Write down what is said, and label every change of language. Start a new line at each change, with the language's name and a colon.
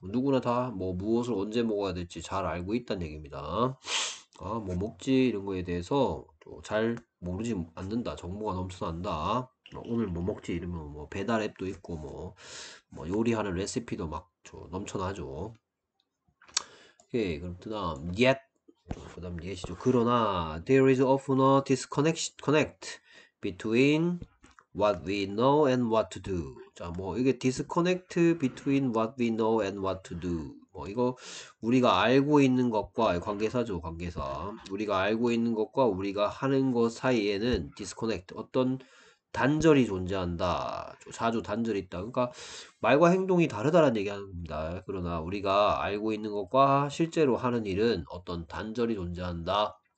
Korean: 누구나 다, 무엇을 언제 먹어야 될지 잘 알고 있다는 얘기입니다. 먹지, 이런 거에 대해서 잘 모르지 않는다. 정보가 넘쳐난다. 오늘 뭐 먹지? 이러면 배달 앱도 있고, 요리하는 레시피도 넘쳐나죠. 오케이, 그럼 그 다음 yet, 그 다음 yet이죠. 그러나
English: there is often a disconnect between what we know and what to do.
Korean: 자, 이게
English: disconnect between what we know and what to do.
Korean: 이거 우리가 알고 있는 것과 관계사죠, 관계사. 우리가 알고 있는 것과 우리가 하는 것 사이에는 disconnect, 어떤 단절이 존재한다. 자주 단절이 있다. 그러니까 말과 행동이 다르다라는 얘기하는 겁니다. 그러나 우리가 알고 있는 것과 실제로 하는 일은 어떤 단절이 존재한다.